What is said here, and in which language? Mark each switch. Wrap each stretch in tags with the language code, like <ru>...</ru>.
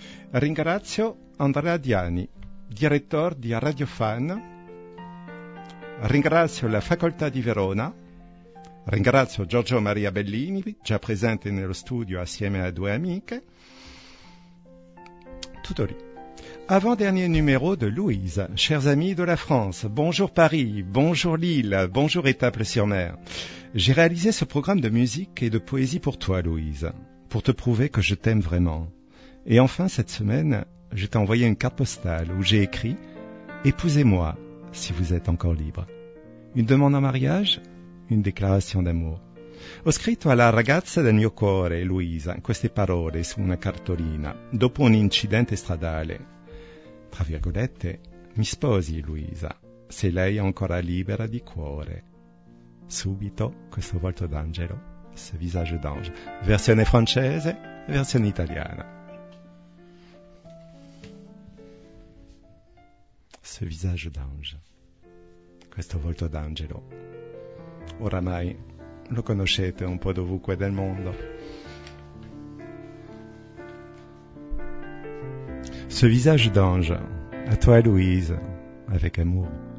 <it>Ringrazio Andrea Diani, direttore di Radio Fan. Ringrazio la Facoltà di Verona. Ringrazio Giorgio Maria Bellini, già presente nello studio assieme a due amiche. Tutto lì.</it> <fr>Avant-dernier numéro de Louise, chers amis de la France, bonjour Paris, bonjour Lille, bonjour Étaples-sur-Mer. J'ai réalisé ce programme de musique et de poésie pour toi, Louise, pour te prouver que je t'aime vraiment. Et enfin, cette semaine, je t'ai envoyé une carte postale où j'ai écrit « Épousez-moi si vous êtes encore libre ». Une demande en mariage, une déclaration d'amour.</fr> <it>Ho scritto alla ragazza del mio cuore, Louise, queste parole su una cartolina, dopo un incidente stradale. Tra virgolette, mi sposi, Luisa, se lei è ancora libera di cuore. Subito, questo volto d'angelo,</it> <fr>ce visage d'ange.</fr> <it>Versione francese, versione italiana.</it> <fr>Ce visage d'ange.</fr> <it>Questo volto d'angelo. Oramai lo conoscete un po' dovunque nel mondo.</it> <fr>Ce visage d'ange, à toi Louise, avec amour.</fr>